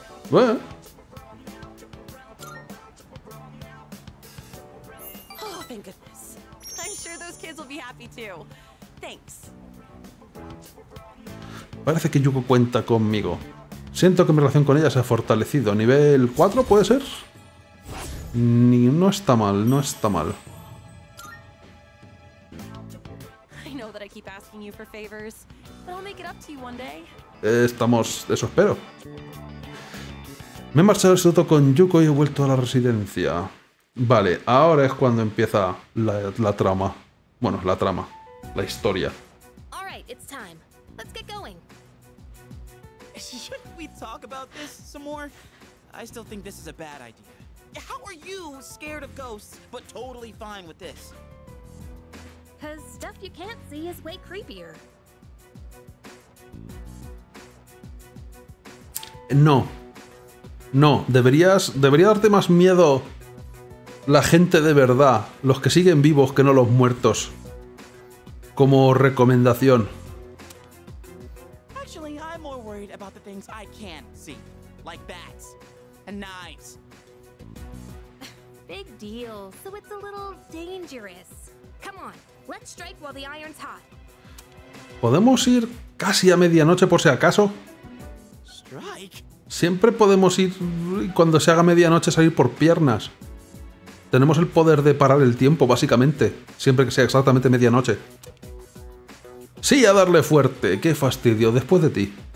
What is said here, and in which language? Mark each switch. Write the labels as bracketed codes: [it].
[es] Bueno. [en] Oh, thank goodness. I'm sure those kids will be happy too. Thanks. [es] Parece que Yuko cuenta conmigo. Siento que mi relación con ella se ha fortalecido. ¿Nivel 4 puede ser? Ni, no está mal, no está mal. [en] I know that I keep asking you for favors, but I'll make it up to you one day. [es] Estamos, eso espero. Me he marchado al instituto con Yuko y he vuelto a la residencia. Vale, ahora es cuando empieza la trama. Bueno, la trama. La historia. [en] All right, it's time. Let's get going. Should we talk about this some more? I still think this is a bad idea. How are you scared of ghosts, but totally fine with this? Cause stuff you can't see is way creepier. [es] No. No, debería darte más miedo la gente de verdad, los que siguen vivos, que no los muertos. Como recomendación. [en] Actually, I'm more worried about the things I can't see, like bats and knives. Big deal. So it's a little dangerous. Come on, let's strike while the iron's hot. [es] ¿Podemos ir casi a medianoche por si acaso? [en] Strike. [es] Siempre podemos ir cuando se haga medianoche salir por piernas. Tenemos el poder de parar el tiempo, básicamente, siempre que sea exactamente medianoche. Sí, a darle fuerte. Qué fastidio, después de ti.